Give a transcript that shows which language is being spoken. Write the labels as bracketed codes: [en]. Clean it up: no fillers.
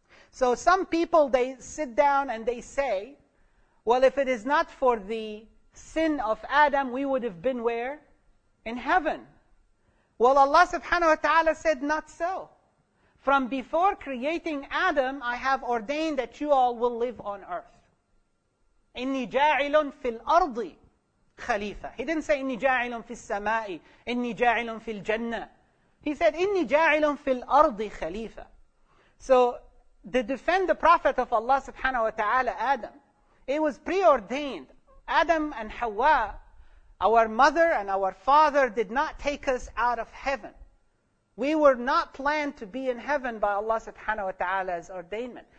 [en] So some people, they sit down and they say, well, if it is not for the sin of Adam, we would have been where? In heaven. Well, Allah subhanahu wa ta'ala said, not so. From before creating Adam, I have ordained that you all will live on earth. [ar] إِنِّي جَاعِلٌ فِي الْأَرْضِ خَلِيفَةً. [en] He didn't say, [ar] إِنِّي جَاعِلٌ فِي السَّمَاءِ, إِنِّي جَاعِلٌ فِي الْجَنَّةِ. [en] He said, [ar] إِنِّي جَاعِلٌ فِي الْأَرْضِ خَلِيفَةً. [en] So to defend the prophet of Allah subhanahu wa ta'ala, Adam, it was preordained. Adam and Hawa, our mother and our father, did not take us out of heaven. We were not planned to be in heaven by Allah subhanahu wa ta'ala's ordainment.